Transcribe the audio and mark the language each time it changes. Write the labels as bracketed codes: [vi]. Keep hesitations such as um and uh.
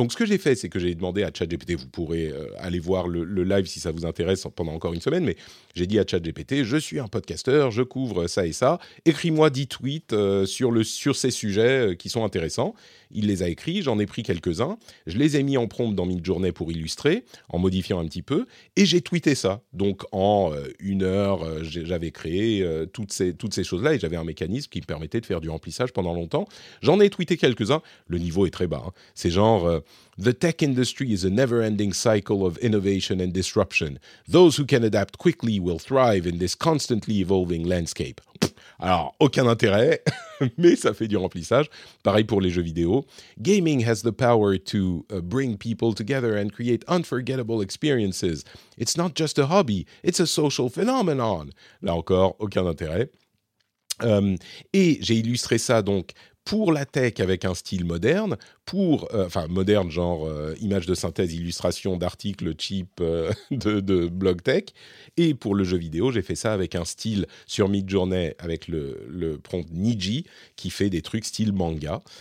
[fr] Donc, ce que j'ai fait, c'est que j'ai demandé à ChatGPT, vous pourrez euh, aller voir le, le, live si ça vous intéresse pendant encore une semaine, mais j'ai dit à ChatGPT, je suis un podcasteur, je couvre ça et ça, écris-moi 10 tweets euh, sur, le, sur ces sujets euh, qui sont intéressants il les a écrits, j'en ai pris quelques-uns, je les ai mis en prompte dans une journée pour illustrer, en modifiant un petit peu, et j'ai tweeté ça. Donc en euh, une heure, j'avais créé euh, toutes ces, toutes ces choses-là et j'avais un mécanisme qui me permettait de faire du remplissage pendant longtemps. J'en ai tweeté quelques-uns, le niveau est très bas. Hein. C'est genre. [en] Euh, The tech industry is a never ending cycle of innovation and disruption. Those who can adapt quickly will thrive in this constantly evolving landscape. [fr] Alors, aucun intérêt, mais ça fait du remplissage. Pareil pour les jeux vidéo. [en] Gaming has the power to bring people together and create unforgettable experiences. It's not just a hobby, it's a social phenomenon. [fr] Là encore, aucun intérêt. Um, et j'ai illustré ça donc pour la tech avec un style moderne, pour, euh, enfin moderne genre euh, images de synthèse, illustration d'articles cheap euh, de, de, blog tech, et pour le jeu vidéo, j'ai fait ça avec un style sur mid-journée avec le, le, prompt Niji qui fait des trucs style manga.